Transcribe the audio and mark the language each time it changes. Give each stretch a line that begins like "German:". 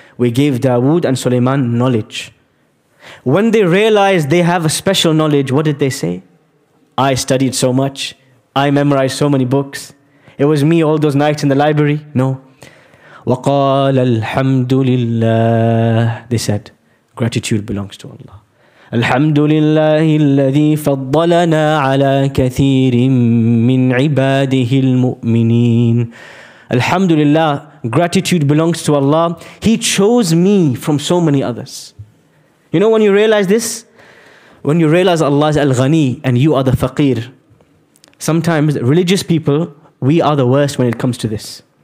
English: We gave Dawood and Sulaiman knowledge. When they realized they have a special knowledge, what did they say? I studied so much. I memorized so many books. It was me all those nights in the library. No.
Arabic: وَقَالَ الْحَمْدُ لِلَّهِ.
English: They said, gratitude belongs to Allah.
Arabic: الحمد لله الذي فضلنا على كثير من عباده المؤمنين. الحمد لله,
English: gratitude belongs to Allah. He chose me from so many others. You know, when you realize this, when you realize Allah is al-ghani and you are the faqir, sometimes religious people, we are the worst when it comes to this.